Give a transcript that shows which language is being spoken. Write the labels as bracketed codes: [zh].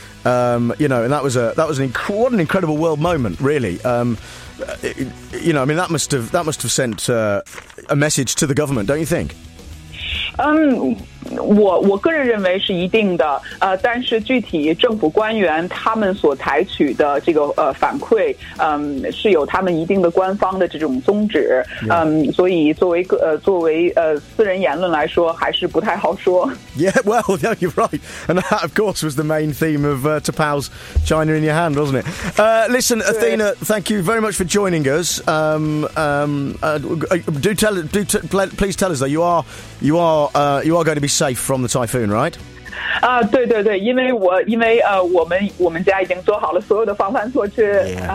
[en] And that was an incredible world moment, really. That must have sent a message to the government, don't you think? [zh] 我个人认为是一定的，但是具体政府官员他们所采取的这个反馈，是有他们一定的官方的这种宗旨，所以作为私人言论来说，还是不太好说。 [en] Yeah, well, yeah, you're right, and that of course was the main theme of Tapao's China in Your Hand, wasn't it? Listen, Athena, thank you very much for joining us. Please tell us though, you are going to be safe from the typhoon, right? [zh] 对对对，因为我们家已经做好了所有的防范措施。